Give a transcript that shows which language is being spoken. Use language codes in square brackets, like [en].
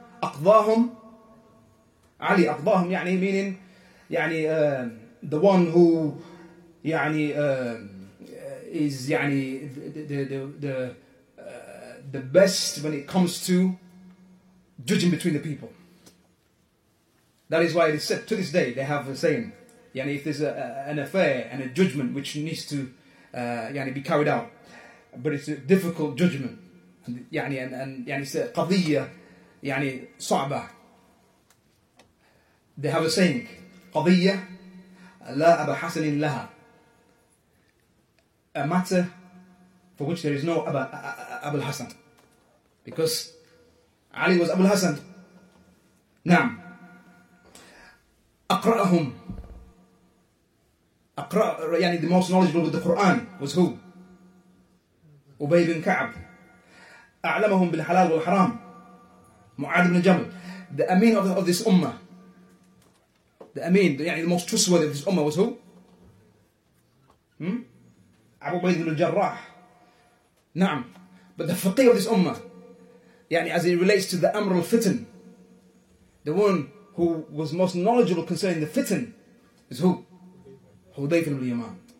[en] Aqdahum Ali. Aqdahum يعني meaning يعني the one who يعني is يعني the best when it comes to judging between the people. That is why it is said to this day they have the same. يعني if there's an affair and a judgment which needs to يعني be carried out, but it's a difficult judgment. [ar] يعني and يعني قضية يعني صعبة. [en] They have a saying, [ar] قضية لا أبا حسن لها, [en] a matter for which there is no أبا الحسن, because Ali was أبا الحسن. نعم. [ar] أقرأهم, أقرأ يعني [en] the most knowledgeable with the Quran was who? أبي بن كعب. [ar] أعلمهم بالحلال والحرام, معاذ بن جبل. [en] The Amin of this Ummah, the Amin, يعني the most trustworthy of this Ummah was who? Abu Bayd bin al-Jarrah. نعم. But the Faqih of this Ummah, يعني as it relates to the Amr al-Fitan, the one who was most knowledgeable concerning the Fitan, is who? Hudayfa ibn al-Yaman.